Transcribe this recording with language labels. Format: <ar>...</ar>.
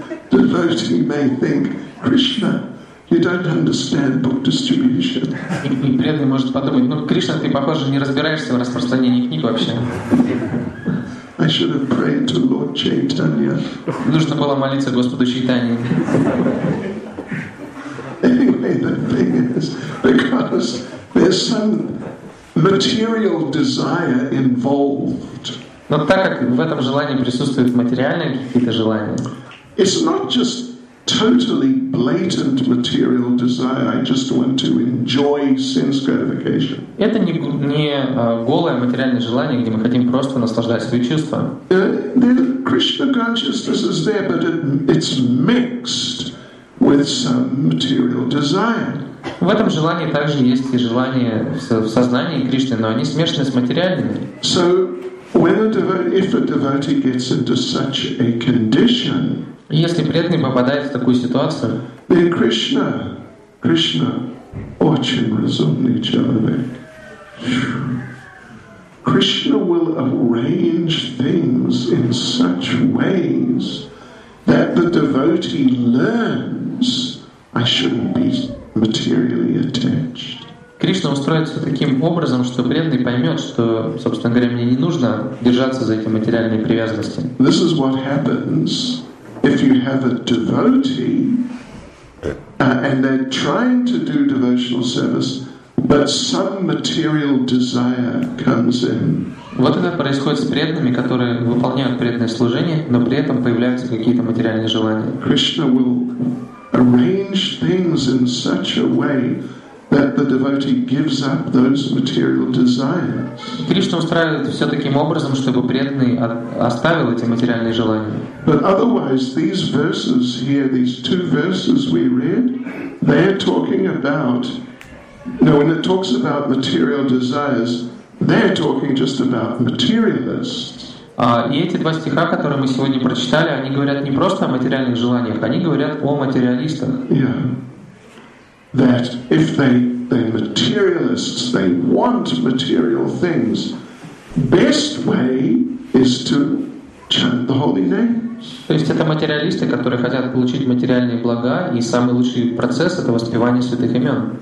<en>Devotee may think, Krishna, you don't understand book distribution.</en> <ru>И преданный может подумать, ну, Кришна, ты, похоже, не разбираешься в распространении книг вообще.</ru> <en>I should have prayed to Lord Chaitanya.</en> <ru>Нужно было молиться Господу Чайтанье.</ru> <en>Anyway, the thing is, because there's some material desire involved.</en> <ru>Но так как в этом желании присутствуют материальные какие-то желания,</ru> <en>it's not just totally blatant material desire. I just want to enjoy sense gratification.</en> <ru>Это не голое материальное желание, где мы хотим просто наслаждать свои чувства.</ru> <en>Krishna consciousness is there, but it's mixed with some material desire.</en> <ru>В этом желании также есть и желания в сознании Кришны, но они смешаны с материальными.</ru> <en>So when a devotee gets into such a condition.</en> <ru>Если преданный попадает в такую ситуацию,</ru> <en>then</en> <ru>Krishna, очень разумный человек.</ru> <en>Krishna will arrange things in such ways that the devotee learns I shouldn't be materially attached.</en> <ru>Кришна устроит все таким образом, что преданный поймет, что, собственно говоря, мне не нужно держаться за эти материальные привязанности.</ru> <en>This is what happens. If you have a devotee and they're trying to do devotional service, but some material desire comes in.</en> <ru>Вот это происходит с преданными, которые выполняют преданное служение, но при этом появляются какие-то материальные желания.</ru> <en>Krishna will arrange things in such a way that the devotee gives up those material desires.</en> <ru>Кришна устраивает все таким образом, чтобы преданный оставил эти материальные желания.</ru> <en>But otherwise, these verses here, these two verses we read, they're talking about. Now, when it talks about material desires, they're talking just about materialists.</en> <ru>И эти два стиха, которые мы сегодня прочитали, они говорят не просто о материальных желаниях, они говорят о материалистах.</ru> <en>Yeah. That if they materialists, they want material things, best way is to chant the holy name.</en> <ru>То есть это материалисты, которые хотят получить материальные блага, и самый лучший процесс — это воспевание святых имен.</ru>